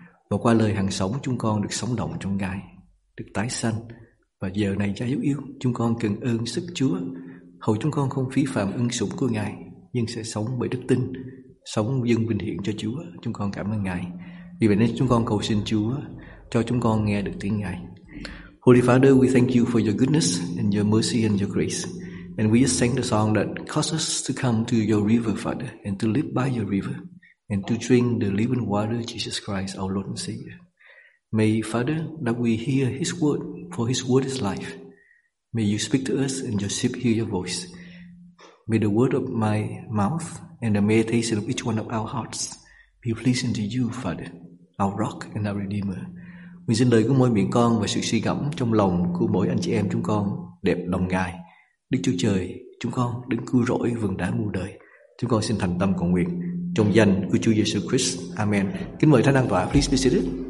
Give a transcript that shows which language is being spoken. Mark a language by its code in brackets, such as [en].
[vi] Và qua lời hằng sống, chúng con được sống động trong Ngài, được tái sanh. Và giờ này Cha hữu yêu, chúng con cần ơn sức Chúa, hầu chúng con không phí phạm ân sủng của Ngài, nhưng sẽ sống bởi đức tin, sống dâng vinh hiển cho Chúa. Chúng con cảm ơn Ngài. Vì vậy nên chúng con cầu xin Chúa cho chúng con nghe được tiếng Ngài. [en] Holy Father, we thank you for your goodness and your mercy and your grace. And we just sang the song that caused us to come to your river, Father, and to live by your river, and to drink the living water, Jesus Christ, our Lord and Savior. May, Father, that we hear his word, for his word is life. May you speak to us and your sheep hear your voice. May the word of my mouth and the meditation of each one of our hearts be pleasing to you, Father, our rock and our redeemer. [vi] Nguyện xin lời của mỗi miệng con và sự suy gẫm trong lòng của mỗi anh chị em chúng con đẹp lòng Ngài. Đức Chúa Trời, chúng con đứng cứu rỗi vườn đá muôn đời. Chúng con xin thành tâm cầu nguyện trong danh của Chúa Giêsu Christ. Amen. Kính mời Thánh An Tòa, [en] please be seated.